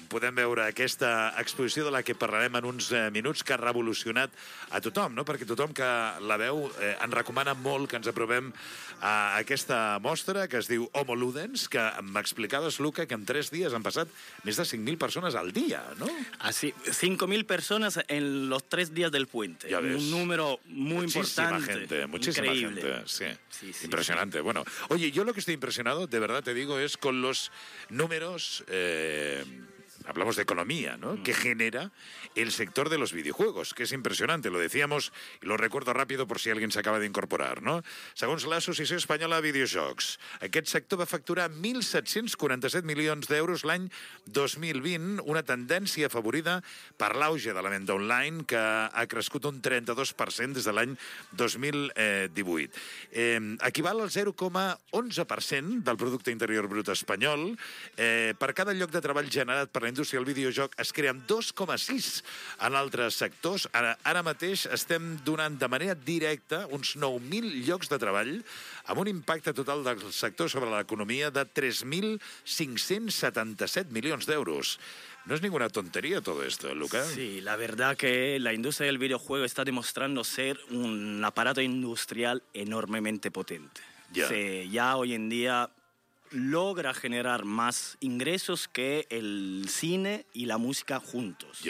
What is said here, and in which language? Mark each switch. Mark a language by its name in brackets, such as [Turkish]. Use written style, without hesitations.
[Catalan] Podem veure aquesta exposició de la que parlarem en uns minuts, que ha revolucionat a tothom, no? Perquè tothom que la veu ens recomana molt que ens aprovem a aquesta mostra, que es diu Homo Ludens, que m'explicaves, Luca, que en 3 dies han passat més de 5.000 persones al dia, no? [Spanish] Así, 5.000 persones en los 3 días del puente. [Catalan] Ja ves. [Spanish] Un número muy importante. Gente, muchísima increíble. Gente, sí. Sí, sí. Impresionante. Sí. Bueno, oye, yo lo que estoy impresionado, de verdad te digo, es con los números, hablamos de economía, ¿no? Que genera el sector de los videojuegos, que es impresionante. Lo decíamos, y lo recuerdo rápido por si alguien se acaba de incorporar, ¿no? [Catalan] Segons la Associació Espanyola de Videojocs, aquest sector va facturar 1.747 milions d'euros l'any 2020, una tendència afavorida per l'auge de la venda online, que ha crescut un 32% des de l'any 2018. Equival al 0,11% del producte interior brut espanyol. Per cada lloc de treball generat per la indústria del videojoc es creen 2,6 en altres sectors. Ara mateix estem donant de manera directa uns 9.000 llocs de treball amb un impacte total del sector sobre l'economia de 3.577 milions d'euros. [Spanish] No es ninguna tontería todo esto, Luca. Sí, la verdad que la industria del videojuego está demostrando ser un aparato industrial enormemente potente. Ya, ya hoy en día logra generar más ingresos que el cine y la música juntos.